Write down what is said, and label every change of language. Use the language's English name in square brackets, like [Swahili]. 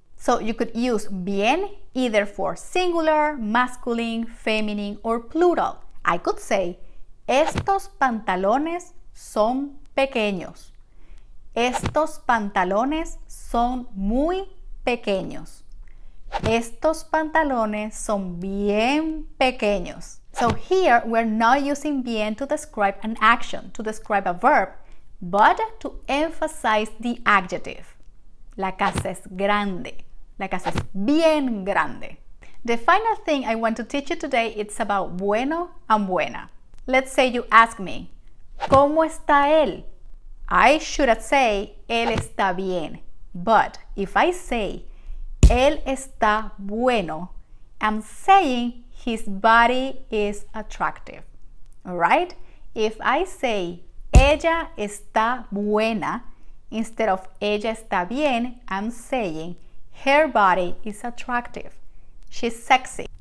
[English] So you could use bien either for singular, masculine, feminine, or plural. [Spanish] I could say, estos pantalones son pequeños. Estos pantalones son muy pequeños. Estos pantalones son bien pequeños. [English] So here we're not using bien to describe an action, to describe a verb, but to emphasize the adjective. [Spanish] La casa es grande. La casa es bien grande. [English] The final thing I want to teach you today is about bueno and buena. Let's say you ask me, [Spanish] ¿cómo está él? [English] I should say, [Spanish] él está bien. [English] But if I say, [Spanish] él está bueno, [English] I'm saying his body is attractive. Alright? If I say, [Spanish] ella está buena, [English] instead of [Spanish] ella está bien, [English] I'm saying her body is attractive. She's sexy.